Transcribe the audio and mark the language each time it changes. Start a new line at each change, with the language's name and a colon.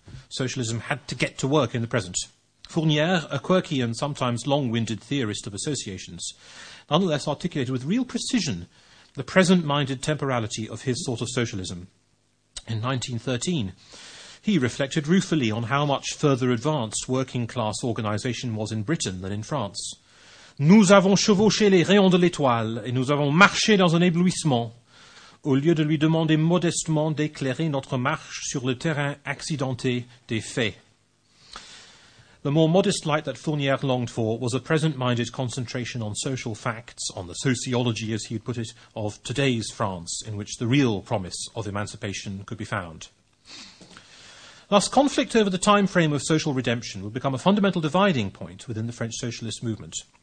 English: Socialism had to get to work in the present. Fournier, a quirky and sometimes long-winded theorist of associations, nonetheless articulated with real precision the present-minded temporality of his sort of socialism. In 1913, he reflected ruefully on how much further advanced working-class organisation was in Britain than in France.
French: Nous avons chevauché les rayons de l'étoile et nous avons marché dans un éblouissement. Au lieu de lui demander modestement d'éclairer notre marche sur le terrain accidenté des faits.
English: The more modest light that Fournier longed for was a present-minded concentration on social facts, on the sociology, as he had put it, of today's France, in which the real promise of emancipation could be found. Thus, conflict over the time frame of social redemption would become a fundamental dividing point within the French socialist movement.